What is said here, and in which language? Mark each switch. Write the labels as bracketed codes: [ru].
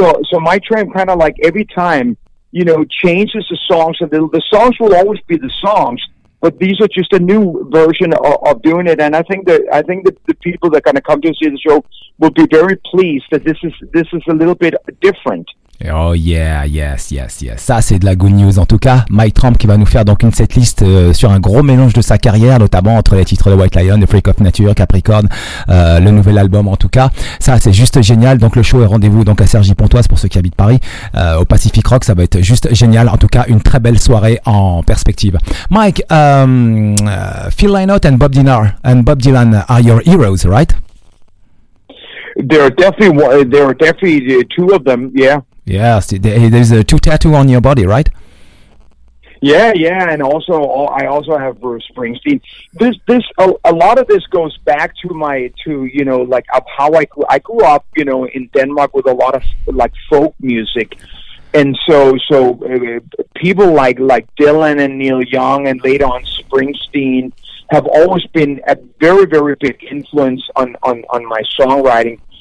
[en] So my tram kind of like every time, you know, changes the songs. So the songs will always be the songs, but these are just a new version of doing it. And I think that the people that are going to come to see the show will be very pleased that this is a little bit different. Oh yeah, yes, yes, yes. [fr] Ça, c'est de la [en] good news. [fr] En tout cas, Mike Tramp qui va nous faire donc une setlist sur un gros mélange de sa carrière, notamment entre les titres de White Lion, The Freak of Nature, Capricorn, le nouvel album en tout cas. Ça, c'est juste génial. Donc le show est rendez-vous donc à Cergy Pontoise pour ceux qui habitent Paris, au Pacific Rock. Ça va être juste génial. En tout cas, une très belle soirée en perspective. [en] Mike, Phil Lynott and Bob Dylan are your heroes, right? They're definitely two of them, yeah. Yes, there's a two tattoo on your body, right? Yeah, and also I also have Bruce Springsteen. A lot of this goes back to how I grew up, you know, in Denmark with a lot of like folk music, and so people like Dylan and Neil Young and later on Springsteen have always been a very, very big influence on my songwriting.